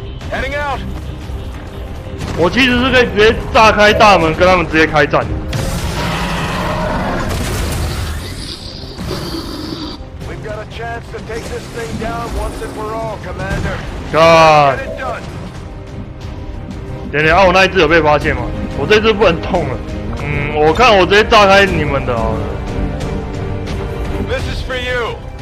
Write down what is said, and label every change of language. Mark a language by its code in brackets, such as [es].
[en] Heading out. [zh] 我其实是可以直接炸开大门，跟他们直接开战。 [en] We've got a chance to take this thing down once and for all, Commander. God. [zh] 点点啊，我那一只有被发现吗？我这只不能动了。嗯，我看我直接炸开你们的好了。 [en] This is for you.